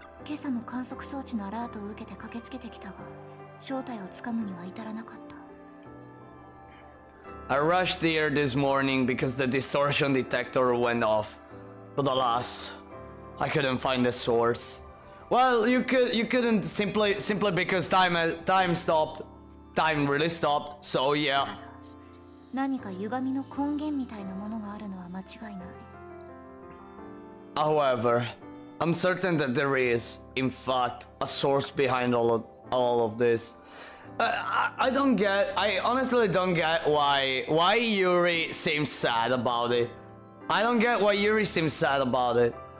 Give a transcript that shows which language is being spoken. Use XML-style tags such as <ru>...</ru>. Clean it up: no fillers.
<ja>今朝も観測装置のアラートを受けて駆けつけてきたが、正体をつかむには至らなかった。</ja> <en>I rushed here this morning because the distortion detector went off. But alas, I couldn't find the source. Well, you couldn't simply because time really stopped, so yeah.</en> <ja>何か歪みの根源みたいなものがあるのは間違いない。</ja> <en>However, I'm certain that there is, in fact, a source behind all of this. I honestly don't get why Yuri seems sad about it. I don't get why Yuri seems sad about it.</en>